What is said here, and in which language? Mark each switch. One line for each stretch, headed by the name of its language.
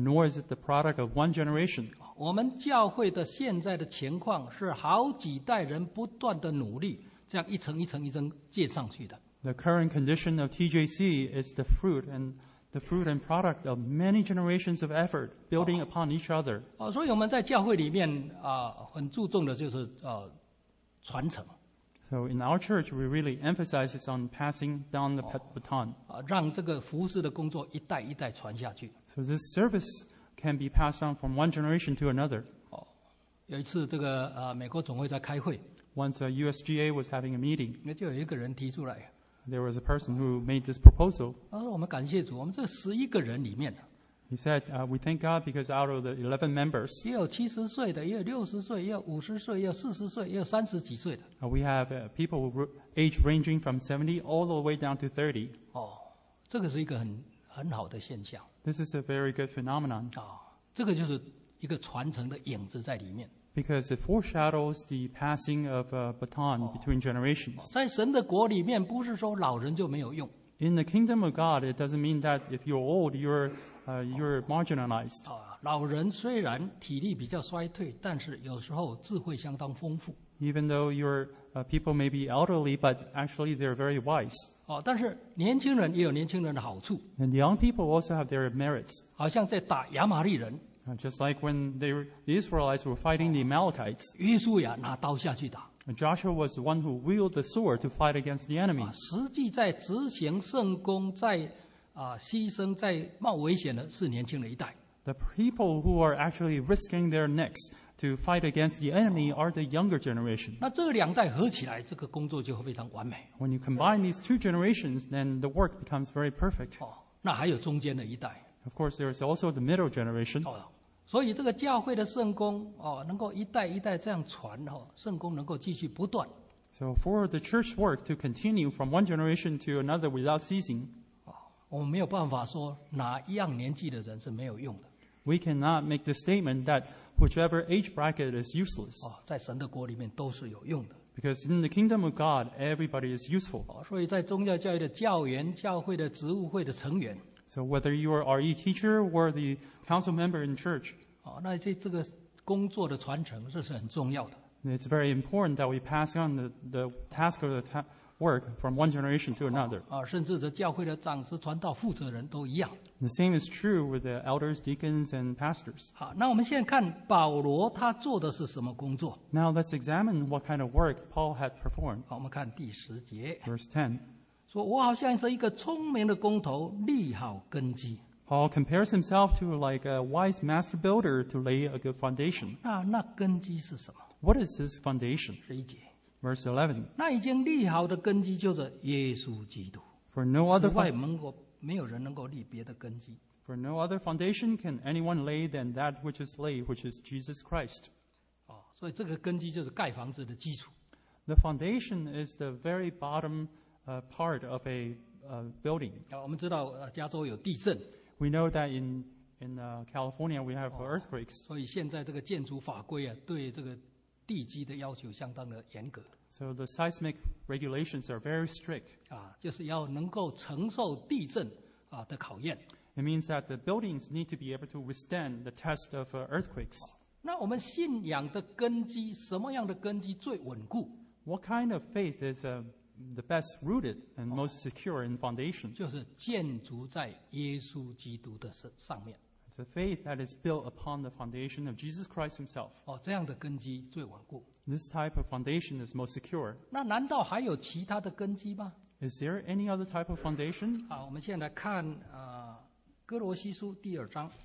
English: Nor is it the product of one generation.
Chinese: 我们教会的现在的情况是好几代人不断的努力，这样一层一层一层接上去的。
English: The current condition of TJC is the fruit and product of many generations of effort building upon each other.
Chinese: 所以我们在教会里面很注重的就是传承。
English: So in our church, we really emphasize on passing down the baton.
Chinese: 让这个服事的工作一代一代传下去。
English: So this service can be passed on from one generation to another.
Chinese: 有一次这个美国总会在开会。
English: Once a USGA was having a meeting.
Chinese: 那就有一个人提出来。
English: There was a person who made this proposal.
Chinese: 我们感谢主，我们这十一个人里面
English: He said, "We thank God because out of the 11 members,
Chinese: 也有七十岁的，也有六十岁，也有五十岁，也有四十岁，也有三十几岁的。
English: We have people with age ranging from 70 all the way down to 30.
Chinese: 这个是一个很好的现象。
English: This is a very good phenomenon.
Chinese: 这个就是一个传承的影子在里面。
English: Because it foreshadows the passing of a baton between generations.
Chinese: 在神的国里面，不是说老人就没有用。
English: In the kingdom of God, it doesn't mean that if you're old, you're marginalized.
Chinese: 老人虽然体力比较衰退，但是有时候智慧相当丰富。
English: Even though your people may be elderly, but actually they're very wise.
Chinese: 但是年轻人也有年轻人的好处。
English: And young people also have their merits.
Chinese: 好像在打亚玛力人。
English: Just like when the Israelites were fighting the Amalekites.
Chinese: 约书亚拿刀下去打。
English: Joshua was the one who wielded the sword to fight against the enemy.
Chinese: 实际在执行圣功，在牺牲，在冒危险的是年轻的一代。
English: The people who are actually risking their necks to fight against the enemy are the younger generation.
Chinese: 那这两代合起来，这个工作就非常完美。
English: When you combine these two generations, then the work becomes very perfect.
Chinese: 那还有中间的一代。
English: Of course, there is also the middle generation.
Chinese: 所以这个教会的圣功能够一代一代这样传圣功能够继续不断。
English: So for the church work to continue from one generation to another without ceasing,
Chinese: 我们没有办法说哪一样年纪的人是没有用的。
English: We cannot make the statement that whichever age bracket is useless.
Chinese: 在神的国里面都是有用的。
English: Because in the kingdom of God, everybody is useful.
Chinese: 所以在宗教教育的教员、教会的职务会的成员。
English: So whether you are RE teacher or the council member in church,
Chinese: 那这个工作的传承是很重要的。
English: It's very important that we pass on the task of the work from one generation to another.
Chinese: 甚至是教会的长子、传道、负责人都一样。
English: The same is true with the elders, deacons, and pastors.
Chinese: 那我们现在看保罗他做的是什么工作。
English: Now let's examine what kind of work Paul had performed.
Chinese: 我们看第十节。
English: Verse 10.
Chinese: 说我好像是一个聪明的工头，立好根基。
English: Paul compares himself to like a wise master builder to lay a good foundation.
Chinese: 那根基是什么
English: ？What is his foundation？
Chinese: 十一节
English: ，verse 11。
Chinese: 那已经立好的根基就是耶稣基督。
English: For no other
Chinese: 此外，没有人能够立别的根基。
English: For no other foundation can anyone lay than that which is laid, which is Jesus Christ.
Chinese: 所以这个根基就是盖房子的基础。
English: The foundation is the very bottom. Part of a building.
Chinese: 我们知道加州有地震。
English: We know that in California we have earthquakes.
Chinese: 所以现在这个建筑法规对这个地基的要求相当的严格。
English: So the seismic regulations are very strict.
Chinese: 就是要能够承受地震的考验。
English: It means that the buildings need to be able to withstand the test of earthquakes.
Chinese: 那我们信仰的根基，什么样的根基最稳固
English: ？What kind of faith is a the best rooted and most secure in foundation.
Chinese: 就是建筑在耶稣基督的上面。
English: It's a faith that is built upon the foundation of Jesus Christ himself.
Chinese: 这样的根基最稳固。
English: This type of foundation is most secure.
Chinese: 那难道还有其他的根基吗
English: ？Is there any other type of foundation?
Chinese: 我们现在来看哥罗西书第二章。